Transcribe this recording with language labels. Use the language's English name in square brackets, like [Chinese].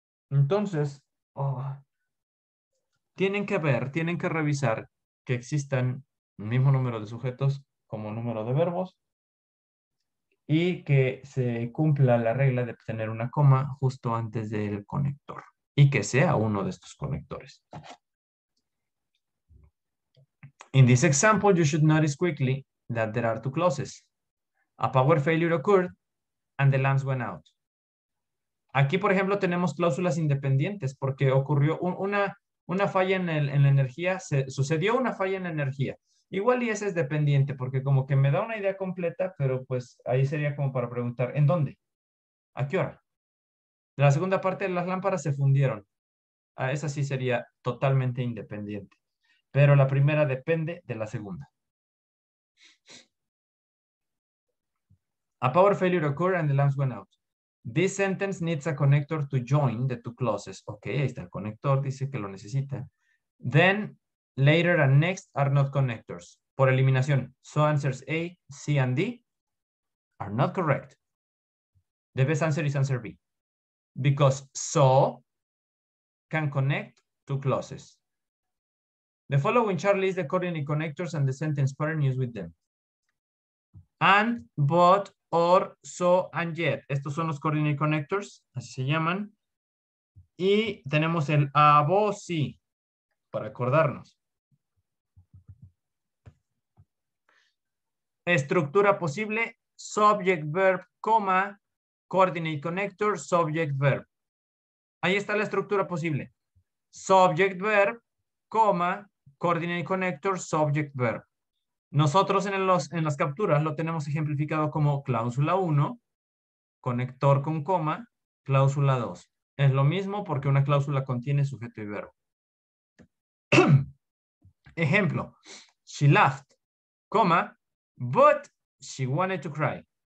[Spanish] Entonces, tienen que revisar que existan el mismo número de sujetos como número de verbos y que se cumpla la regla de tener una coma justo antes del conector y que sea uno de estos conectores. [English] In this example, you should notice quickly that there are two clauses. A power failure occurred and the lamps went out. [Spanish] Aquí, por ejemplo, tenemos cláusulas independientes porque ocurrió una falla en la energía. Sucedió una falla en la energía. Igual y esa es dependiente porque como que me da una idea completa, pero pues ahí sería como para preguntar, ¿en dónde? ¿A qué hora? La segunda parte de las lámparas se fundieron. A esa sí sería totalmente independiente. Pero la primera depende de la segunda. [English] A power failure occurred and the lamps went out. This sentence needs a connector to join the two clauses. Ok, [Spanish] ahí está el conector, dice que lo necesita. [English] Then, later and next are not connectors. [Spanish] Por eliminación, [English] so answers A, C and D are not correct. The best answer is answer B. Because so can connect two clauses. The following chart lists the coordinate connectors and the sentence pattern used with them. And, but, or, so, and yet. [Spanish] Estos son los coordinate connectors, así se llaman. Y tenemos el abo, sí, para acordarnos. Estructura posible, [English] subject, verb, comma, coordinate connector, subject, verb. [Spanish] Ahí está la estructura posible. [English] Subject, verb, comma, coordinate connector, subject, verb. [Spanish] Nosotros en las capturas lo tenemos ejemplificado como cláusula 1, conector con coma, cláusula 2. Es lo mismo porque una cláusula contiene sujeto y verbo. Ejemplo. [English] She laughed, coma, but she wanted to cry.